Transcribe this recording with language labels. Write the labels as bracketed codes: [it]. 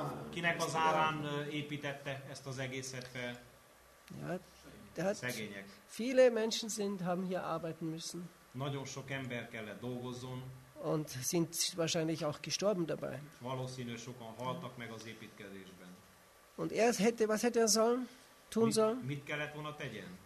[hu] Kinek az árán építette ezt az egészet fel? Ja, szegények. [de] Viele Menschen haben hier arbeiten müssen. [hu] Nagyon sok ember kellett dolgozzon. [de] Und sind wahrscheinlich auch gestorben dabei. [hu] Valószínű sokan haltak meg az építkezésben. [de] Und er hätte, was hätte er sollen, tun sollen? [hu] Mit kellett volna tegyen?